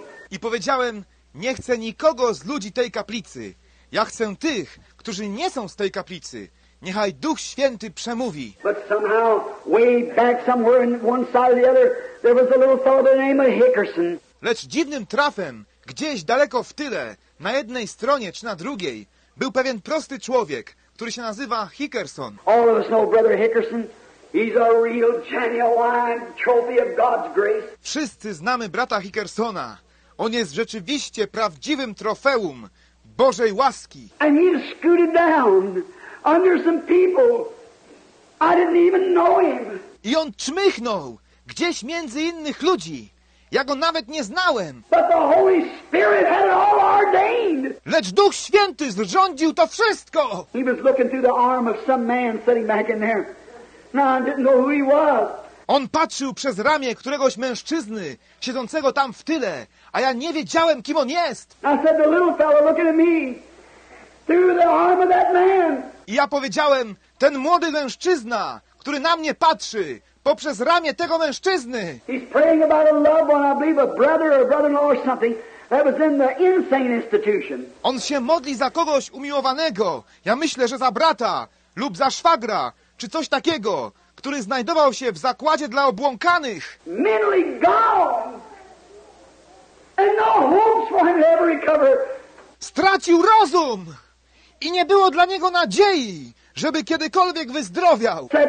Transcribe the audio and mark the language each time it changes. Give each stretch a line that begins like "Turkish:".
Polish: I powiedziałem, nie chcę nikogo z ludzi tej kaplicy. Ja chcę tych, którzy nie są z tej kaplicy. Niechaj Duch Święty przemówi.
English: But somehow, way back somewhere in one side or the other, there was a little fellow by the name of Hickerson.
Polish: Lecz dziwnym trafem, gdzieś daleko w tyle, na jednej stronie czy na drugiej, był pewien prosty człowiek, który się nazywa Hickerson.
English: All of us know Brother Hickerson. He's a real genuine trophy of God's grace.
Polish: Wszyscy znamy brata Hickersona. On jest rzeczywiście prawdziwym trofeum Bożej łaski.
English: And he just scooted down. Under some people. I didn't even know him.
Polish: I on czmychnął gdzieś między innych ludzi. Ja go nawet nie znałem.
English: But the Holy Spirit had it all ordained.
Polish: Lecz Duch Święty zrządził to wszystko.
English: He was looking through the arm of some man sitting back in there. Now I didn't know who he was.
Polish: On patrzył przez ramię któregoś mężczyzny siedzącego tam w tyle, a ja nie wiedziałem, kim on jest.
English: I said, the little fellow looking at me through the arm of that man.
Polish: I ja powiedziałem, ten młody mężczyzna, który na mnie patrzy, poprzez ramię tego mężczyzny.
English: He's praying about a loved one, I believe, a brother or brother-in-law or something that was in the insane institution.
Polish: On się modli za kogoś umiłowanego. Ja myślę, że za brata lub za szwagra, czy coś takiego, który znajdował się w zakładzie dla obłąkanych.
English: Mentally gone. And no hopes for him to ever recover.
Polish: Stracił rozum. I nie było dla niego nadziei, żeby kiedykolwiek wyzdrowiał.